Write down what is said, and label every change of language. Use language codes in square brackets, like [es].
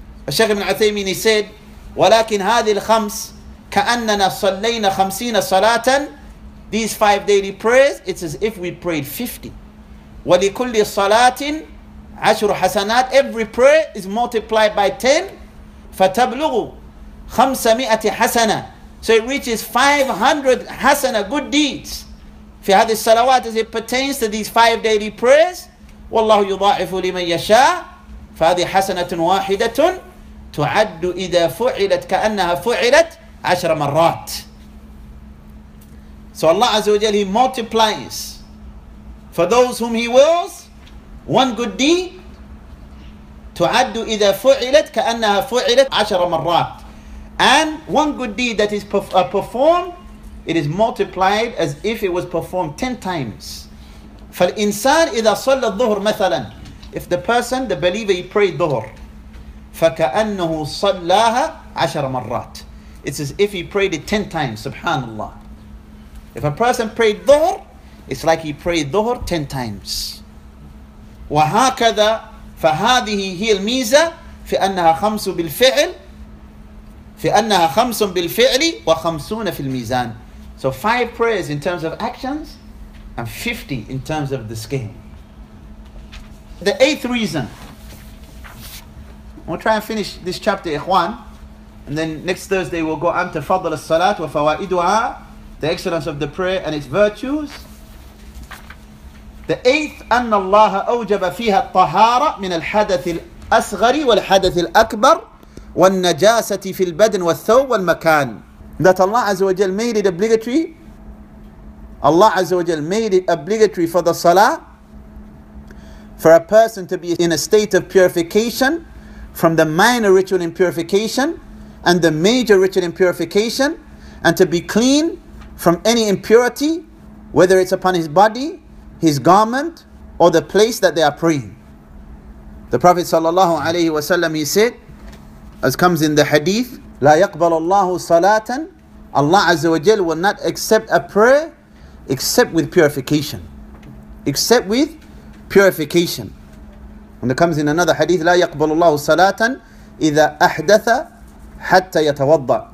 [en] Shaykh ibn Uthaymeen, he said, [ar] وَلَكِنْ هَذِي الْخَمْسِ كَأَنَّنَا صَلَّيْنَا خَمْسِينَ صَلَاةً. [en] These 5 daily prayers, it's as if we prayed 50. [ar] وَلِكُلِّ صَلَاةٍ عَشْرُ حَسَنَاتٍ. [en] Every prayer is multiplied by 10. [ar] فَتَبْلُغُ خَمْسَمِئَةِ حَسَنَةً. [en] So it reaches 500 hasana, good deeds. [ar] في هذه الصلوات, [en] as it pertains to these 5 daily prayers, [ar] وَاللَّهُ يُضَاعِفُ لِمَنْ يَشَاءُ فَهَذِي حَسَنَةٌ وَاحِدَةٌ تُعَدُّ إِذَا فُعِلَتْ كَأَنَّهَا فُعِلَتْ عَشْرَ مَرَّاتٍ. [en] So Allah Azza wa Jal, He multiplies for those whom He wills one good deed. [ar] تُعَدُّ إِذَا فُعِلَتْ كَأَنَّهَا فُعِلَتْ عَشْرَ مَرَّاتٍ. [en] And one good deed that is performed, it is multiplied as if it was performed 10 times. [ar] فَالْإِنسَانِ إِذَا صَلَّ الظُّهُرْ مَثَلًا. [en] If the person, the believer, he prayed dhuhr, [ar] فَكَأَنَّهُ صَلَّاهَا عَشْرَ مَرَّاتٍ. [en] It's as if he prayed it 10 times, subhanAllah. If a person prayed dhuhr, it's like he prayed dhuhr 10 times. [ar] وَهَكَذَا فَهَذِهِ هِيَ الْمِيزَةِ فِي أَنَّهَا خَمْسُ بِالْفِعْلِ فأنها خمس بالفعل وخمسون في الميزان. [en] So five prayers in terms of actions and 50 in terms of the scale. The eighth reason. We'll try and finish this chapter, Ikhwan. And then next Thursday we'll go on to Fadl al-Salat wa fawa'idu'a, the excellence of the prayer and its virtues. The eighth, [ar] أن الله أوجب فيها الطهارة من الحدث الأصغر والحدث الأكبر والنجاسة في البدن والثوب والمكان. [en] That Allah Azza wa Jal made it obligatory. Allah Azza wa Jal made it obligatory for the salah for a person to be in a state of purification from the minor ritual impurification and the major ritual impurification, and to be clean from any impurity, whether it's upon his body, his garment, or the place that they are praying. The Prophet sallallahu alayhi wa sallam, he said, as comes in the hadith, [ar] لا يقبل الله صلاة, [en] Allah Azza wa Jal will not accept a prayer except with purification. Except with purification. And it comes in another hadith, [ar] لا يقبل الله صلاة إذا أحدث حتى يتوضع.